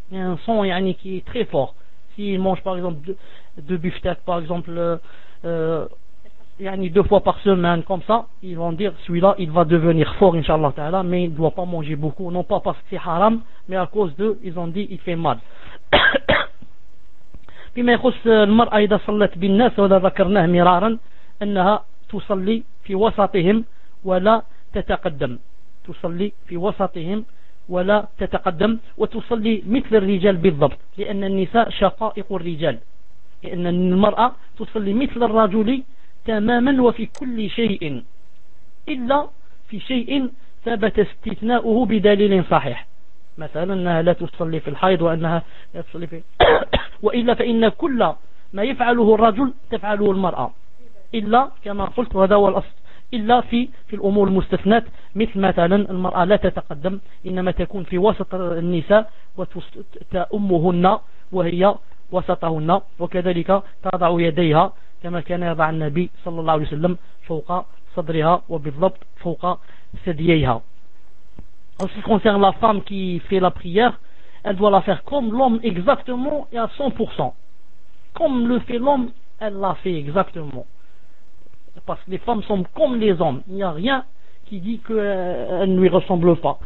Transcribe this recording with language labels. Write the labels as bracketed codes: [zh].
[fr] Il y a un sang yani, qui est très fort. S'il mange par exemple deux beefsteaks par exemple yani, deux fois par semaine comme ça, ils vont dire celui-là il va devenir fort inshallah ta'ala, mais il ne doit pas manger beaucoup, non pas parce que c'est haram mais à cause d'eux, ils ont dit il fait mal. [ar] بما يخص المرأة إذا صلت بالناس ولا ذكرناه مرارا أنها تصلي في وسطهم ولا تتقدم تصلي في وسطهم ولا تتقدم وتصلي مثل الرجال بالضبط لأن النساء شقائق الرجال لأن المرأة تصلي مثل الرجل تماما وفي كل شيء إلا في شيء ثبت استثناؤه بدليل صحيح مثلا أنها لا تصلي في الحيض وأنها لا تصلي في وإلا فإن كل ما يفعله الرجل تفعله المرأة، إلا كما قلت وهذا هو الأصل، إلا في الأمور المستثنات، مثل مثلا المرأة لا تتقدم، إنما تكون في وسط النساء وتأمهن وهي وسطهن، وكذلك تضع يديها كما كان يضع النبي صلى الله عليه وسلم فوق صدرها وبالضبط فوق سدييها. [fr] En ce qui concerne la femme qui fait la prière, elle doit la faire comme l'homme exactement et à 100%. Comme le fait l'homme, elle la fait exactement. Parce que les femmes sont comme les hommes. Il n'y a rien qui dit qu'elles ne lui ressemblent pas.